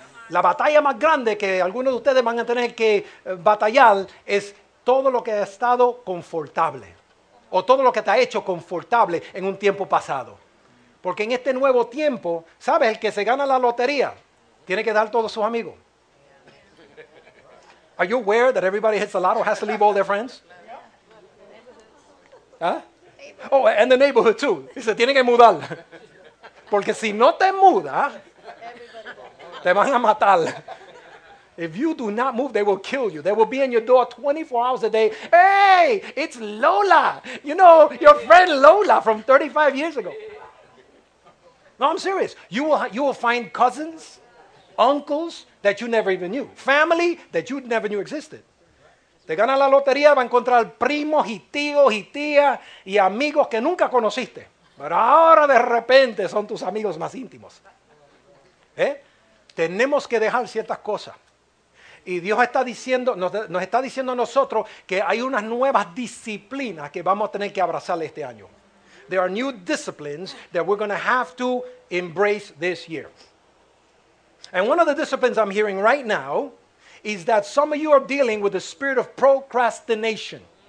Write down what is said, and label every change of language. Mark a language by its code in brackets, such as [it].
[es] La batalla más grande que algunos de ustedes van a tener que batallar es todo lo que ha estado confortable. O todo lo que te ha hecho confortable en un tiempo pasado. Porque en este nuevo tiempo, ¿sabes? El que se gana la lotería tiene que dar todos sus amigos. [en] Are you aware that everybody hits the lotto has to leave all their friends? ¿Ah? Oh, and the neighborhood too. [es] Y se tiene que mudar. Porque si no te mudas, te van a matar. [en] If you do not move, they will kill you. They will be in your door 24 hours a day. Hey, it's Lola. You know, your friend Lola from 35 years ago. No, I'm serious. You will find cousins, uncles that you never even knew. Family that you never knew existed. [es] Te ganas la lotería, va a encontrar primos y tíos y tías y amigos que nunca conociste. Pero ahora de repente son tus amigos más íntimos. ¿Eh? Tenemos que dejar ciertas cosas. Y Dios está diciendo, nos está diciendo a nosotros que hay unas nuevas disciplinas que vamos a tener que abrazar este año. [en] There are new disciplines that we're going to have to embrace this year. And one of the disciplines I'm hearing right now is that some of you are dealing with the spirit of procrastination.